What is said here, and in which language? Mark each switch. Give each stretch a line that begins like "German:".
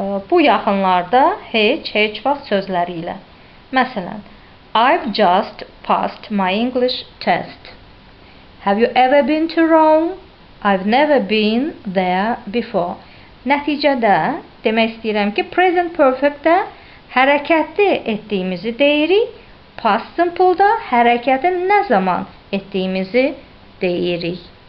Azerbaijani: Bu yaxınlarda heç vaxt sözləri ilə. Məsələn,
English: I've just passed my English test. Have you ever been to Rome? I've never been there before.
Azerbaijani: Nəticədə demək istəyirəm ki, present perfect-də hərəkətli etdiyimizi deyirik, past simple-də hərəkəti nə zaman etdiyimizi deyirik.